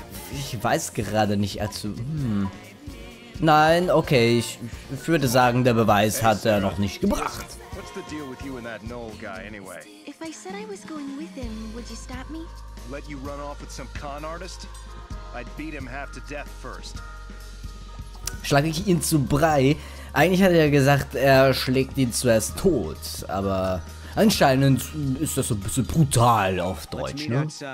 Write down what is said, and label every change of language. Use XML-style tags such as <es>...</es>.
<de>Ich weiß gerade nicht, also... Nein, okay, ich würde sagen, der Beweis hat er noch nicht gebracht.</de> <en>What's the deal with you and that Noel guy anyway? If I said I was going with him, would you stop me? Let you run off with some con artist? I'd beat him half to death first.</en> <de>Schlage ich ihn zu Brei? Eigentlich hat er gesagt, er schlägt ihn zuerst tot, aber anscheinend ist das so ein bisschen brutal auf Deutsch, ne?</de>